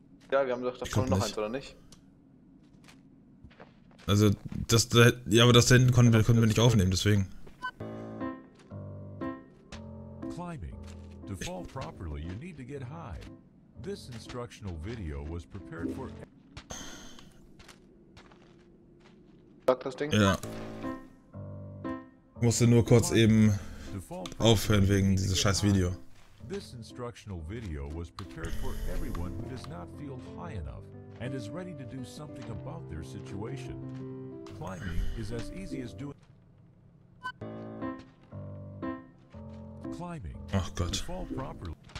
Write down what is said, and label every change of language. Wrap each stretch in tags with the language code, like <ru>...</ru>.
<de>Ja, wir haben doch da vorne noch eins, oder nicht? Also, das. Ja, aber das da hinten konnten wir nicht aufnehmen, deswegen.</de> <en>Climbing. To fall properly, you need to get high. This instructional video was prepared for.</en> <de>Sag das Ding? Ja. Musste nur kurz eben aufhören wegen dieses scheiß Video.</de> <en>This instructional video was prepared for everyone who does not feel high enough and is ready to do something about their situation. Climbing is as easy as doing. Climbing.</en> <de>Ach Gott.</de> <en>To fall properly.</en>